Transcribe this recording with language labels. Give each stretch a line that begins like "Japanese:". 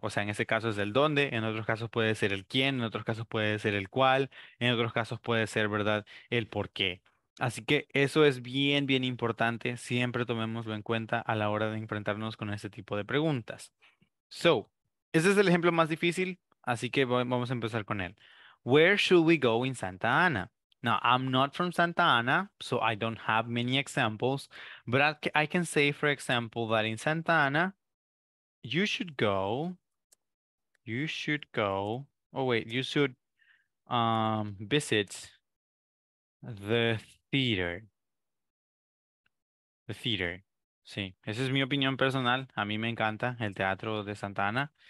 Spanish: O sea, en ese caso es el dónde, en otros casos puede ser el quién, en otros casos puede ser el cuál, en otros casos puede ser, ¿verdad?, el por qué. Así que eso es bien, bien importante. Siempre tomémoslo en cuenta a la hora de enfrentarnos con este tipo de preguntas. So, ese es el ejemplo más difícil, así que vamos a empezar con él.
English: Where should we go in Santa Ana? Now, I'm not from Santa Ana, so I don't have many examples, but I can say, for example, that in Santa Ana, you should visit the theater.
Spanish: Sí, esa es mi opinión personal. A mí me encanta el teatro de Santa Ana.